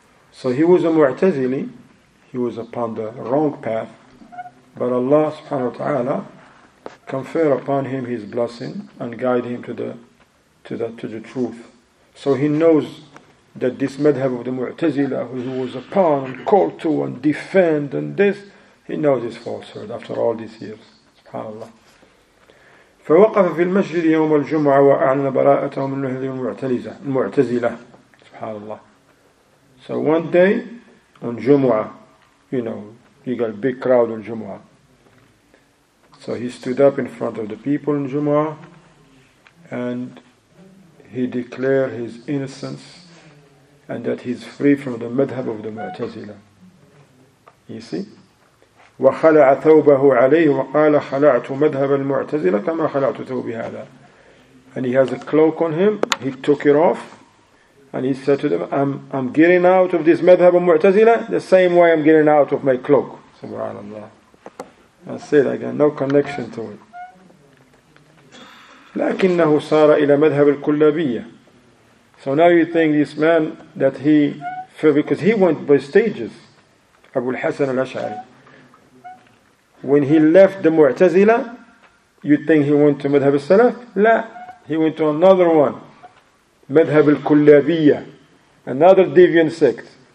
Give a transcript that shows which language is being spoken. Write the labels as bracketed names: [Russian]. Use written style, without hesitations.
[English] So he was a Mu'tazili, he was upon the wrong path, but Allah subhanahu wa ta'ala conferred upon him his blessing and guide him to the truth. So he knows that this madhab of the Mu'tazila, who he was upon and called to and defend and this, he knows his falsehood after all these years. SubhanAllah. فوقف في المسجد يوم الجمعة وأعلن براءته من هذه المعتزلة. SubhanAllah. So one day on Jumu'ah, you know, you got a big crowd on Jumu'ah. So he stood up in front of the people on Jumu'ah and he declared his innocence and that he's free from the madhab of the Mu'tazila. You see? [Arabic] وَخَلَعَ ثَوْبَهُ عَلَيْهُ وَقَالَ خَلَعْتُ مَذْهَبَ الْمُعْتَزِلَ كَمَا خَلَعْتُ ثَوْبِ هَذَا. [English] And he has a cloak on him, he took it off, and he said to them, I'm getting out of this madhab of Mu'tazila the same way I'm getting out of my cloak. SubhanAllah. I said again, no connection to it. [Arabic] لكنه صار إلى مذهب الكلابية. [English] So now you think this man that he, because he went by stages, Abu al-Hasan al-Ash'ari. When he left the Mu'tazila, you think he went to Madhab al-Salaf? La, he went to another one, Madhab al-Kullabiyya, another deviant sect.